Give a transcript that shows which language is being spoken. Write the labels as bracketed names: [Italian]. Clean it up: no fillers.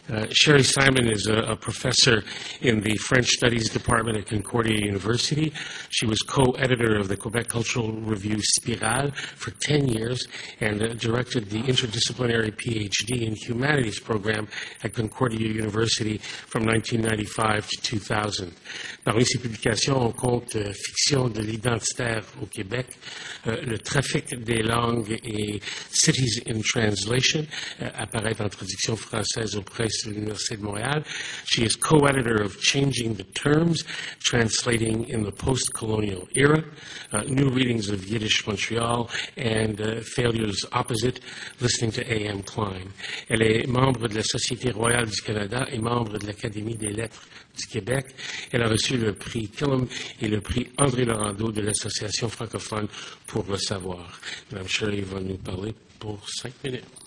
[English] Sherry Simon is a professor in the French Studies Department at Concordia University. She was co-editor of the Quebec Cultural Review Spirale for 10 years and directed the interdisciplinary PhD in Humanities program at Concordia University from 1995 to 2000. [French] Parmi ses publications, on compte Fiction de l'identitaire au Québec, Le trafic des langues et Cities in Translation, apparaît en traduction française aux presses de l'Université de Montréal. [English] She is co-editor of Changing the Terms, Translating in the Post-Colonial Era, New Readings of Yiddish Montreal, and Failures Opposite, Listening to A.M. Klein. [French] Elle est membre de la Société Royale du Canada et membre de l'Académie des Lettres du Québec. Elle a reçu le prix Killam et le prix André Laurando de l'Association francophone pour le savoir. Madame Shirley va nous parler pour 5 minutes.